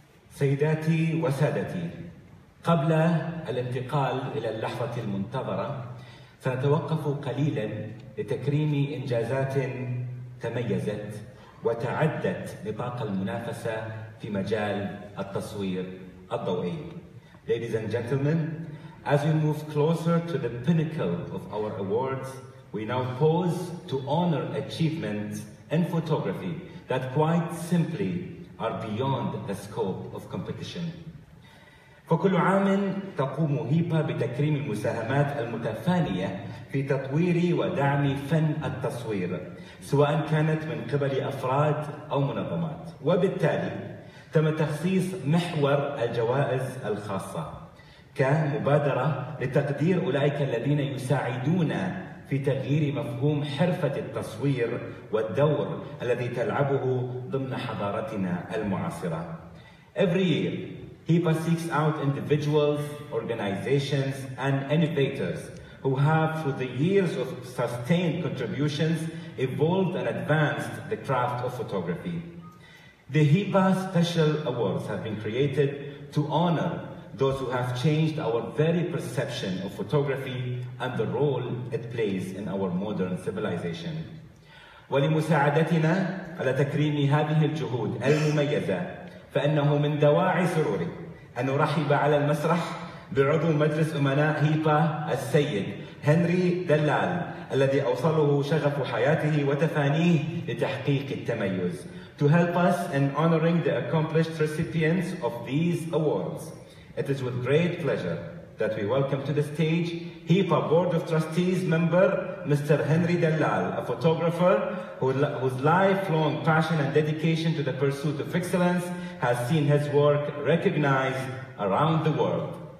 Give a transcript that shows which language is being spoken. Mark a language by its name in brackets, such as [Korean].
[Arabic] سيداتي وسادتي، قبل الانتقال إلى اللحظة المنتظرة سأتوقف قليلا لتكريم إنجازات تميزت وتعدت نطاق المنافسة في مجال التصوير الضوئي. [English] Ladies and gentlemen, as we move closer to the pinnacle of our awards, we now pause to honor achievements in photography that quite simply are beyond the scope of competition. [Arabic] فكل عام تقوم هيبا بتكريم المساهمات المتفانية في تطوير ودعم فن التصوير، سواء كانت من قبل أفراد أو منظمات، وبالتالي تم تخصيص محور الجوائز الخاصة كمبادرة لتقدير أولئك الذين يساعدون في تغيير مفهوم حرفة التصوير والدور الذي تلعبه ضمن حضارتنا المعاصرة. [English] Every year, HIPAA seeks out individuals, organizations, and innovators who have, through the years of sustained contributions, evolved and advanced the craft of photography. The HIPAA Special Awards have been created to honor those who have changed our very perception of photography and the role it plays in our modern civilization. [Arabic] ولمساعدتنا على تكريم هذه الجهود المميزة، فإنه من دواعي سروري أن أرحب على المسرح بعضو مجلس أمناء HIPAA السيد هنري دلال، الذي أوصله شغف حياته وتفانيه لتحقيق التميز. [English] To help us in honoring the accomplished recipients of these awards, it is with great pleasure that we welcome to the stage HIPAA Board of Trustees member Mr. Henry Dallal, a photographer whose lifelong passion and dedication to the pursuit of excellence has seen his work recognized around the world.